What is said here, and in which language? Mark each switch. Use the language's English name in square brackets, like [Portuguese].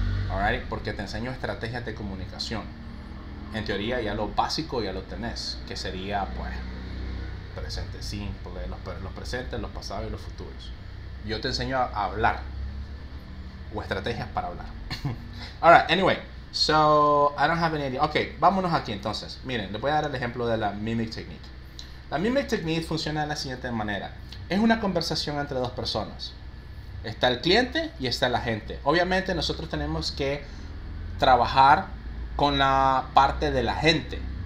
[Spanish] Alright, porque te enseño estrategias de comunicación. En teoría ya lo básico ya lo tenés, que sería pues presente simple, los presentes, los pasados y los futuros. Yo te enseño a hablar, o estrategias para hablar. [English] Alright, anyway, so I don't have any idea. [Spanish] Ok, vámonos aquí entonces. Miren, les voy a dar el ejemplo de la mimic technique. La mimic technique funciona de la siguiente manera. Es una conversación entre dos personas. Está el cliente y está la gente. Obviamente nosotros tenemos que trabajar con la parte de la gente.